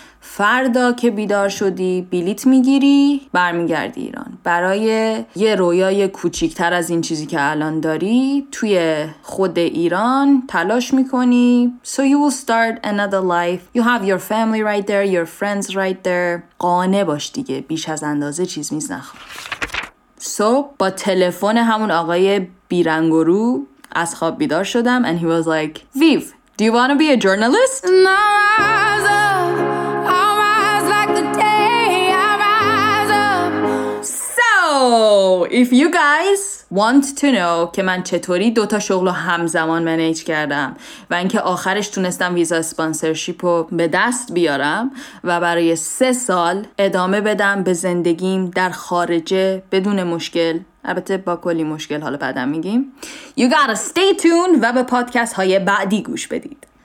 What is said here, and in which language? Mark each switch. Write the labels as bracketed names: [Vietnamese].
[Persian] فردا که بیدار شدی بلیط میگیری برمیگردی ایران برای یه رویای کوچیکتر از این چیزی که الان داری توی خود ایران تلاش میکنی. [English] So you will start another life. You have your family right there, your friends right there. [Persian] قانع باش دیگه, بیش از اندازه چیز میز نخور. [English] So [Persian] با تلفن همون آقای بیرنگ رو از خواب بیدار شدم [English] and he was like, Viv, do you want to be a journalist? No, if you guys want to know [Persian] که من چطوری دوتا شغل رو همزمان منیج کردم و اینکه آخرش تونستم ویزا اسپانسرشیپ رو به دست بیارم و برای 3 سال ادامه بدم به زندگیم در خارجه بدون مشکل, البته با کلی مشکل حالا بعدم میگیم, [English] you gotta stay tuned [Persian] و به پادکست های بعدی گوش بدید.